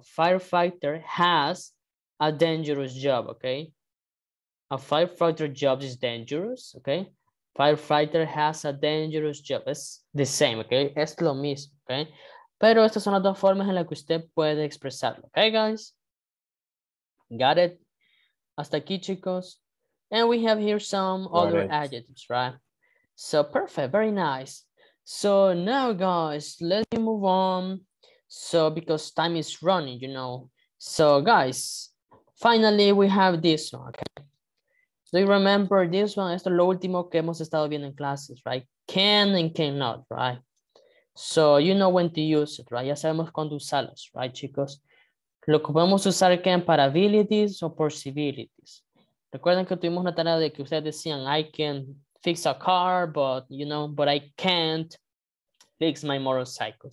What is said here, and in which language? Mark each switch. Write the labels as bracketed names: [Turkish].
[English] A firefighter has a dangerous job, ¿ok? A firefighter job is dangerous, ¿ok? Firefighter has a dangerous job. [Spanish] Es [English] the same, [Spanish] ¿ok? Es lo mismo, ¿ok? Pero estas son las dos formas en las que usted puede expresarlo, ¿ok, [English] guys? Got it? [Spanish] Hasta aquí, chicos. [English] And we have here some other adjectives, right? So, perfect. Very nice. So now, guys, let me move on. So because time is running, you know. So guys, finally, we have this one, okay? So you remember this one? [Spanish] Esto es lo último que hemos estado viendo en clases, [English] right? Can and cannot, right? So you know when to use it, right? [Spanish] Ya sabemos cuándo usarlos, [English] right, chicos? [Spanish] Lo que podemos usar can para abilities o possibilities. Recuerden que tuvimos una tarea de que ustedes decían, [English] I can fix a car, but, you know, but I can't fix my motorcycle.